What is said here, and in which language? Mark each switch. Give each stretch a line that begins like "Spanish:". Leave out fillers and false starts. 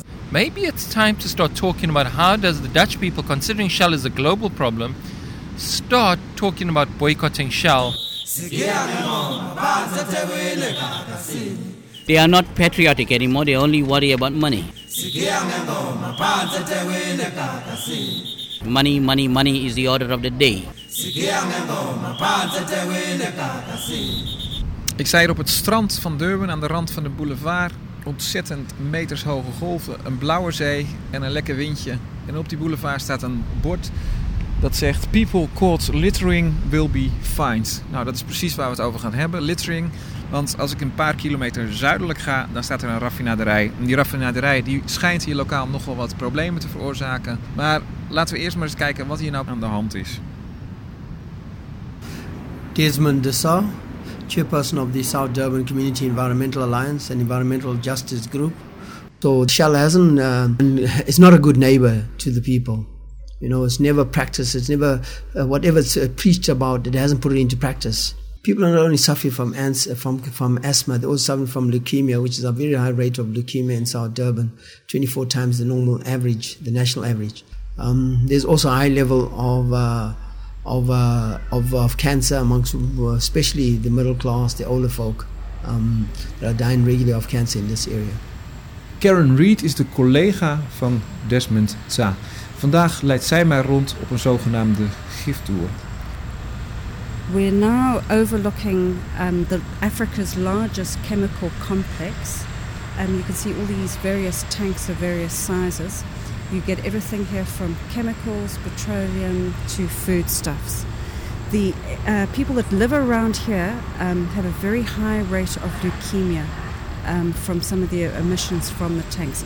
English: Maybe it's time to start talking about how does the Dutch people, considering Shell is a global problem, start talking about boycotting Shell. They are not patriotic anymore. They only worry about money. Money, money, money is the order of the day.
Dutch: Ik zei er op het strand van Durban aan de rand van de boulevard. Ontzettend metershoge golven, een blauwe zee en een lekker windje. En op die boulevard staat een bord dat zegt
English: "People caught littering will be fined."
Dutch: Nou, dat is precies waar we het over gaan hebben, littering. Want als ik een paar kilometer zuidelijk ga, dan staat er een raffinaderij. En die raffinaderij die schijnt hier lokaal nogal wat problemen te veroorzaken. Maar laten we eerst maar eens kijken wat hier nou aan de hand is.
English: Desmond Dessa, chairperson of the South Durban Community Environmental Alliance and Environmental Justice Group. So Shell hasn't, it's not a good neighbor to the people. You know, it's never practiced, it's never, whatever it's preached about, it hasn't put it into practice. People are not only suffering from asthma, they're also suffering from leukemia, which is a very high rate of leukemia in South Durban, 24 times the normal average, the national average. There's also a high level of cancer amongst, especially the middle class, the older folk, that are dying regularly of cancer in this area.
Dutch: Karen Reed is de collega van Desmond Tsa. Vandaag leidt zij mij rond op een zogenaamde giftoer.
English: We're now overlooking the Africa's largest chemical complex. And you can see all these various tanks of various sizes. You get everything here from chemicals, petroleum, to foodstuffs. The people that live around here have a very high rate of leukemia from some of the emissions from the tanks.